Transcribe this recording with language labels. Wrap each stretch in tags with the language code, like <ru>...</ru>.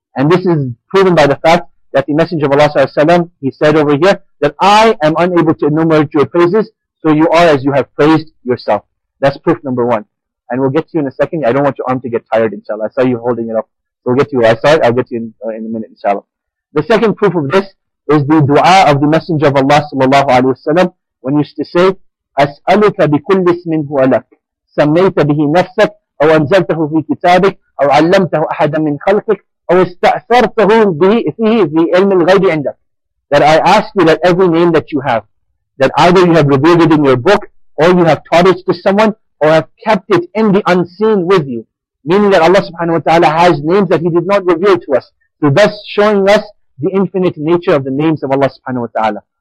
<en>And this is proven by the fact that the Messenger of Allah sallallahu alayhi wa sallam, he said over here, that I am unable to enumerate your praises, so you are as you have praised yourself. That's proof number one. And we'll get to you in a second. I don't want your arm to get tired, inshallah. I saw you holding it up. So we'll get to you. I saw it. I'll get to you in a minute, inshallah. The second proof of this is the dua of the Messenger of Allah sallallahu alayhi wa sallam, when he used to say,</en> <ar>أَسْأَلُكَ بِكُلِّ اسْمٍ هُوَ لَكَ سَمَّيْتَ بِهِ نَفْسَكَ أَوْ أَنزَلْتَهُ فِي كِتَابِكَ أَوْ عَلَّمْتَهُ أَحَدًا مِنْ خَلْقِكَ أَوْ اسْتَأْثَرْتَهُ بِهِ فِي عِلْمِ الْغَيْبِ عِنْدَكَ.</ar> <en>That I ask you that every name that you have, that either you have revealed it in your book, or you have taught it to someone, or have kept it in the unseen with you. Meaning that Allah subhanahu wa ta'ala has names that He did not reveal to us. So thus showing us the infinite nature of the names of Allah subhanahu wa ta'ala.</en>